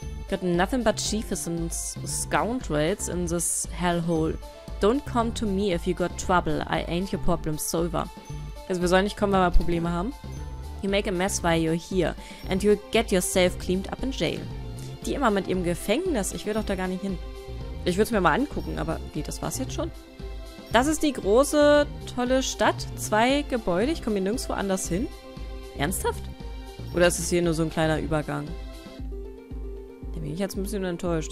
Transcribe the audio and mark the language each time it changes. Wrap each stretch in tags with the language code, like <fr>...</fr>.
<en>Got nothing but chiefs and scoundrels in this hellhole. Don't come to me if you got trouble. I ain't your problem solver.</en> <de>Also wir sollen nicht kommen, wenn wir Probleme haben.</de> <en>You make a mess while you're here. And you'll get yourself cleaned up in jail.</en> <de>Die immer mit ihrem Gefängnis. Ich will doch da gar nicht hin. Ich würde es mir mal angucken, aber geht das was jetzt schon? Das ist die große, tolle Stadt. Zwei Gebäude. Ich komme hier nirgendwo anders hin. Ernsthaft? Oder ist es hier nur so ein kleiner Übergang? Da bin ich jetzt ein bisschen enttäuscht.</de>